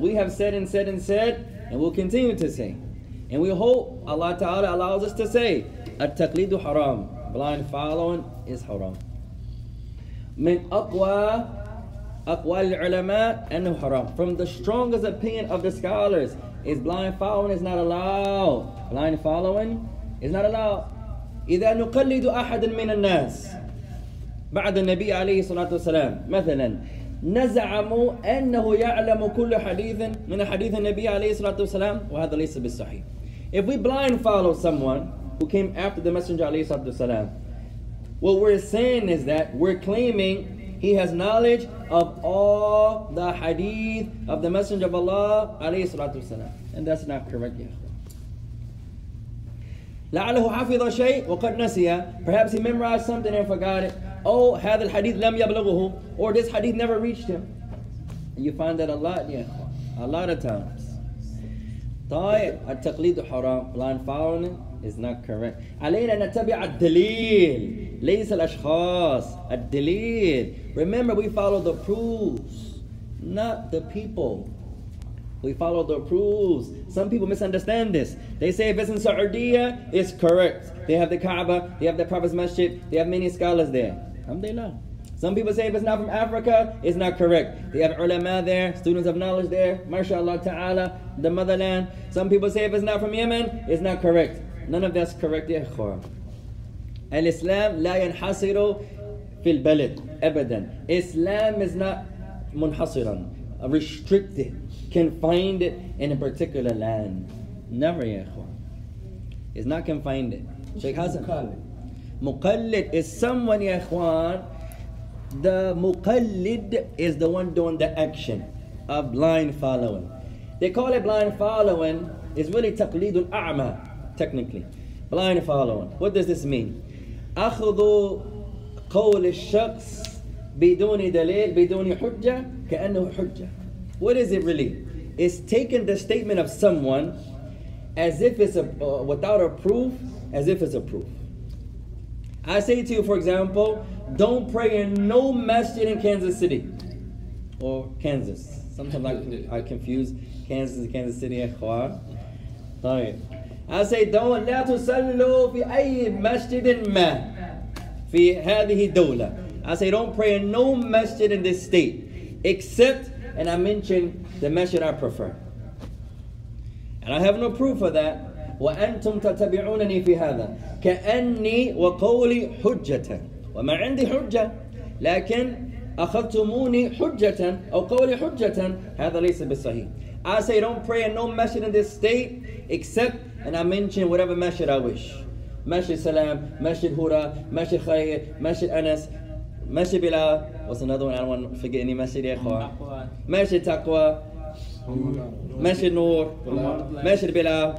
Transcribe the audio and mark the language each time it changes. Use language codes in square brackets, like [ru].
[en] We have said, and we'll continue to say. And we hope Allah Ta'ala allows us to say, [ar] التقليد حرام. [en] Blind following is حرام. [ar] من أقوى العلماء أنه حرام. [en] From the strongest opinion of the scholars, is blind following is not allowed. Blind following is not allowed. [ar] إذا نقلد أحد من الناس بعد النبي عليه الصلاة والسلام مثلا نزعم أنه يعلم كل حديث من حديث النبي عليه الصلاة والسلام وهذا ليس بالصحيح. [en] If we blind follow someone who came after the Messenger عليه الصلاة والسلام, what we're saying is that we're claiming he has knowledge of all the hadith of the Messenger of Allah عليه الصلاة والسلام, and that's not correct. [ar] لعله حفظ شيء وقد نسي. [en] Perhaps he memorized something and forgot it. Oh, [ar] هذا الحديث لم يبلغه, [en] or this hadith never reached him. And you find that a lot, a lot of times. [ar] طيب التقليد حرام. [en] Blind following is not correct. [ar] علينا نتبع الدليل ليس الأشخاص. الدليل. [en] Remember, we follow the proofs, not the people. We follow the proofs. Some people misunderstand this. They say if it's in Saudiya, it's correct. They have the Kaaba, they have the Prophet's Masjid, they have many scholars there. Alhamdulillah. Some people say if it's not from Africa, it's not correct. They have ulama there, students of knowledge there, mashallah ta'ala, the motherland. Some people say if it's not from Yemen, it's not correct. None of that's correct, ya ikhwan. [ar] Al-Islam la yanhasiru fil balad, abadan. [en] Islam is not munhasiran, restricted, confined in a particular land. Never, ya ikhwan. It's not confined. Sheikh Hassan. Muqallid is someone, ya ikhwan. The muqallid is the one doing the action of blind following. They call it blind following. It's really taqlid al-a'ma, technically. Blind following. What does this mean? [ar] أخذوا قول الشخص بدون دليل بدون حجة كأنه حجة. [en] What is it really? It's taking the statement of someone as if it's a, without a proof, as if it's a proof. I say to you, for example, don't pray in no masjid in Kansas City. Or Kansas. Sometimes I confuse Kansas and Kansas City. I say, don't [ar] لا تصلوا في أي مسجد ما في هذه الدولة. [en] I say, don't pray in no masjid in this state. Except, and I mention the masjid I prefer. And I have no proof of that. [ar] وأنتم تتبعونني في هذا كأني وقولي حجة وما عندي حجة لكن أخذتموني حجة أو قولي حجة هذا ليس بالصحيح. [en] I say don't pray in no masjid in this state except, and I mention whatever masjid I wish. Masjid Salam, Masjid Hura, Masjid Khair, Masjid Anas, Masjid Bila. What's another one? I don't want to forget any masjid. Masjid Taqwa, Masjid Noor, Masjid Bilal.